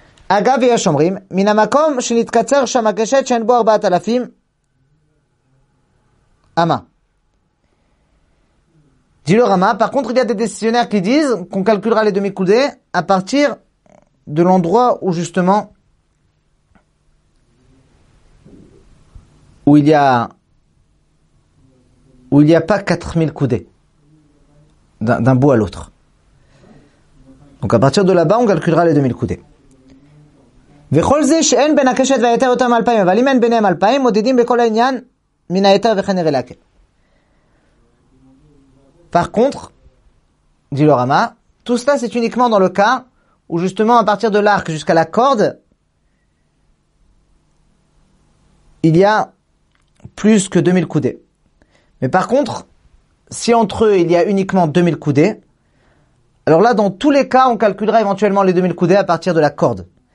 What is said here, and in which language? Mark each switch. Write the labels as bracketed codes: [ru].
[fr] Dit le Rama, par contre, il y a des décisionnaires qui disent qu'on calculera les demi-coudées à partir de l'endroit où justement où il y a pas 4000 coudées d'un bout à l'autre. Donc à partir de là-bas, on calculera les 2000 coudées. [he] וכל זה שאין בין הקשת והיתר יותר מ-2000, אבל אם אין ביניהם 2000, מודדים בכל העניין מן היתר וכן הרי להקל. [fr] Par contre, dit le Rama, tout cela c'est uniquement dans le cas où justement à partir de l'arc jusqu'à la corde, il y a plus que 2000 coudées. Mais par contre, si entre eux il y a uniquement 2000 coudées, alors là dans tous les cas on calculera éventuellement les 2000 coudées à partir de la corde.